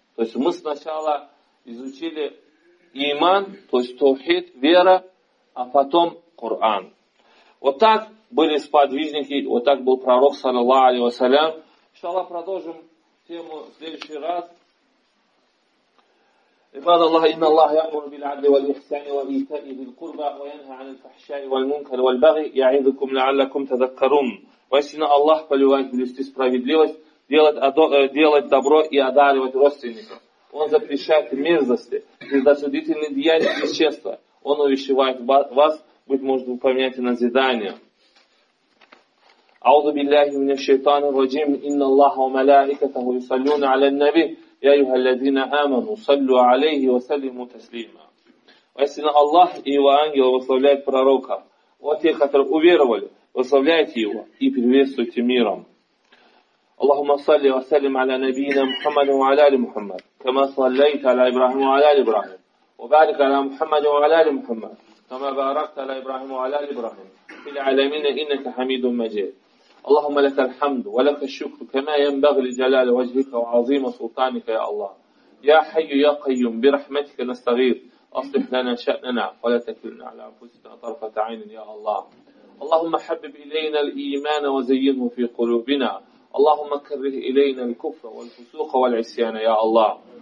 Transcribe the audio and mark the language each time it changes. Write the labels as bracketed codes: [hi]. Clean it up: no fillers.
[ru] То есть мы сначала изучили иман, то есть тавхид, вера, а потом Коран. Вот так были сподвижники, вот так был пророк, саллаллаху алейхи вассалям. Иншаллах, продолжим тему в следующий раз. [ar] عباد الله إن الله يأمر بالعدل والإحسان وإيتاء ذي القربى وينهى عن الفحشاء والمنكر والبغي يعظكم لعلكم تذكرون. [ru] Воистину Аллах повелевает блюсти справедливость, делать добро и одаривать родственников. Он запрещает мерзости, предосудительные деяния и бесчестия. Он увещевает вас, быть может, вы поменяете назидание. [ar] أعوذ بالله من الشيطان الرجيم إن الله وملائكته يصلون على النبي يا أيها الذين آمنوا صلوا عليه وسلموا تسليما. [ru] Воистину Аллах и его ангелы восславляют пророка. Вот те, которые уверовали, восславляйте его и приветствуйте миром. [ar] Аллахумма салли ва саллим аля набиина Мухаммада ва аля али Мухаммад. Кама саллайта аля Ибрахима ва аля али Ибрахим. Ва барик аля Мухаммада ва аля али Мухаммад. Кама баракта аля Ибрахима ва аля али Ибрахим. Фил аламина иннака хамидум маджид. اللهم لك الحمد ولك الشكر كما ينبغي لجلال وجهك وعظيم سلطانك يا الله يا حي يا قيوم برحمتك نستغيث أصلح لنا شأننا ولا تكلنا على أنفسنا طرفة عين يا الله اللهم حبب إلينا الإيمان وزينه في قلوبنا اللهم كره إلينا الكفر والفسوق والعصيان يا الله